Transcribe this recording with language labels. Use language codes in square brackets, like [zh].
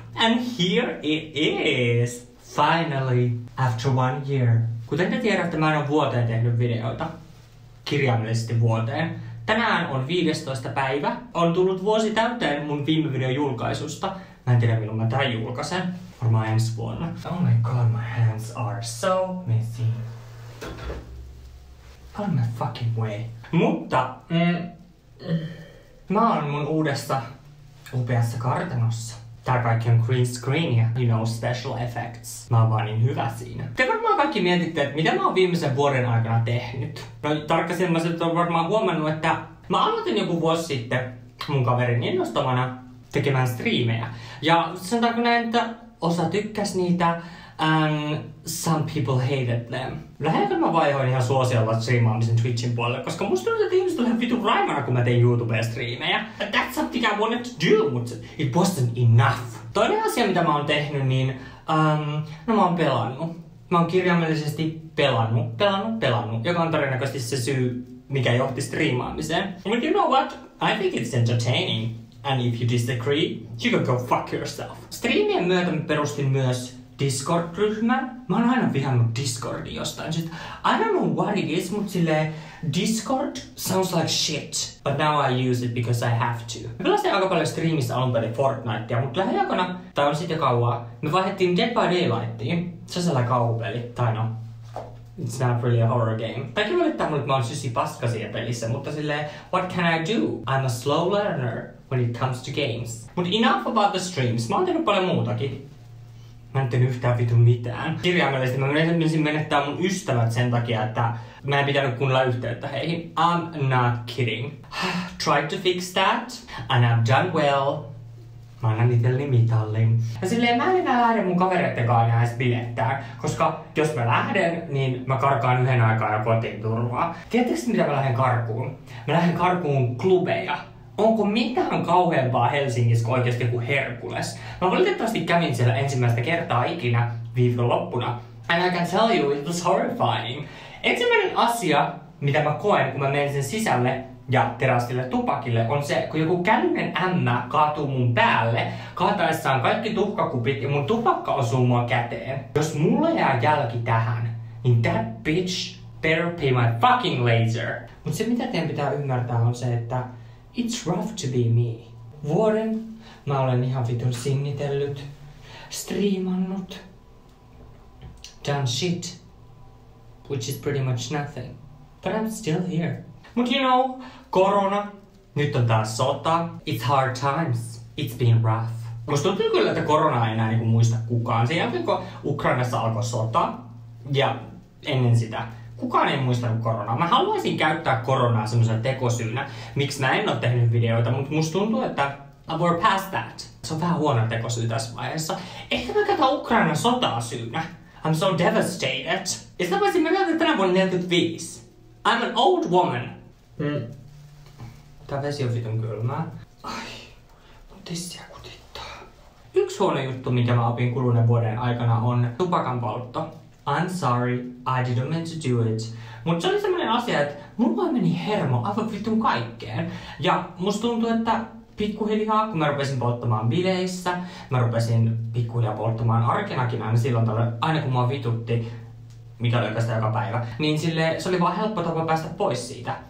[en] And here it is! Finally, after one year. [fi] Kuten te tiedätte, mä en ole vuoteen tehnyt videoita. Kirjaimellisesti vuoteen. Tänään on 15. päivä. On tullut vuosi täyteen mun viime videon julkaisusta. Mä en tiedä, milloin mä tämän julkaisen. Varmaan ensi vuonna. [en] Oh my god, my hands are so messy. Out of my fucking way. Mutta... [fi] mä oon mun uudessa upeassa kartanossa. Tää kaikki on green screen ja, [en] you know, special effects. [fi] Mä oon vaan niin hyvä siinä. Te varmaan kaikki mietitte, että mitä mä oon viimeisen vuoden aikana tehnyt. No tarkkasilmaiset on varmaan huomannut, että mä aloitin joku vuosi sitten mun kaverin innostamana tekemään striimejä. Ja sanotaanko näin, että osa tykkäs niitä, [en] and some people hated them. [fi] Lähinnä mä vaihoin ihan suosiolla striimaamisen Twitchin puolelle, koska musta tuntuu, että ihmiset olivat vitun raimana, kun mä tein YouTube-striimejä. [en] But that's something I wanted to do, but it wasn't enough. [fi] Toinen asia, mitä mä oon tehnyt, niin mä oon pelannut. Mä oon kirjaimellisesti pelannut, joka on todennäköisesti se syy, mikä johti striimaamiseen. [en] But you know what? I think it's entertaining. And if you disagree, you can go fuck yourself. [fi] Striimien myötä mä perustin myös Discord-ryhmä. Mä oon aina vihannut Discordin jostain. [en] I don't know what it is, [fi] mut silleen [en] Discord sounds like shit. But now I use it because I have to. [fi] Mä pelasin aika paljon striimissä alun perin Fortnitea, mut lähiaikana, tai on sit jo kauan, me vaihdettiin Dead by Daylightiin. Se on sellainen kauhupeli. Tai no, [en] it's not really a horror game. [fi] Tääkin valittaa mulle, että mä oon sysi paska siinä pelissä, mutta silleen, [en] what can I do? I'm a slow learner when it comes to games. But enough about the streams. [fi] Mä oon tehnyt paljon muutakin. Mä en tehnyt yhtään vitu mitään. Kirjaimellisesti mä menisin menettää mun ystävät sen takia, että mä en pitänyt kuunnella yhteyttä heihin. [en] I'm not kidding. Tried to fix that. And I've done well. [fi] Mä annan itselleni mitallin. Ja silleen mä en enää lähde mun kavereittenkaan enää edes bilettään. Koska jos mä lähden, niin mä karkaan yhden aikaa ja kotiin turvaa. Tiedättekö mitä mä lähden karkuun? Mä lähden karkuun klubeja. Onko mitään kauheampaa Helsingissä kuin oikeasti joku Herkules? Mä valitettavasti kävin siellä ensimmäistä kertaa ikinä viikon loppuna. [en] And I can tell you, it was horrifying. [fi] Ensimmäinen asia, mitä mä koen, kun mä menen sen sisälle ja terassille tupakille, on se, kun joku kälyinen ämmä kaatuu mun päälle, kaataessaan kaikki tuhkakupit ja mun tupakka osuu mua käteen. Jos mulla jää jälki tähän, niin [en] that bitch better pay my fucking laser. [fi] Mut se, mitä teidän pitää ymmärtää, on se, että [en] it's rough to be me. [fi] Vuoden mä olen ihan vitun sinnitellyt, striimannut, [en] done shit, which is pretty much nothing. But I'm still here. But you know, korona, [fi] nyt on taas sota, [en] it's hard times, it's been rough. [fi] Musta tuntuu kyllä, että korona ei enää niinku muista kukaan. Sen jälkeen, kun Ukrainassa alkoi sota, ja ennen sitä, kukaan ei muistanut koronaa. Mä haluaisin käyttää koronaa semmosena tekosyynä, miksi mä en oo tehnyt videoita, mut musta tuntuu, että [en] we're past that. [fi] Se on vähän huono tekosyy tässä vaiheessa. Ehkä mä käytän Ukraina sotaa syynä. [en] I'm so devastated. [fi] Ja sitä paitsi mä käytän tänä vuonna 45. [en] I'm an old woman. [fi] Tää vesi on vitun kylmää. Ai, mun tissiä kutittaa. Yksi huono juttu, mikä mä opin kuluneen vuoden aikana, on tupakan poltto. [en] I'm sorry, I didn't mean to do it. [fi] Mut se oli semmonen asia, että mulla meni hermo aivan vitun kaikkeen. Ja musta tuntui, että pikkuhiljaa, kun mä rupesin polttamaan bileissä, mä rupesin pikkuhiljaa polttamaan arkenakin aina silloin tällöin, aina kun mua vitutti, mikä oli oikeastaan joka päivä, niin sille se oli vaan helppo tapa päästä pois siitä.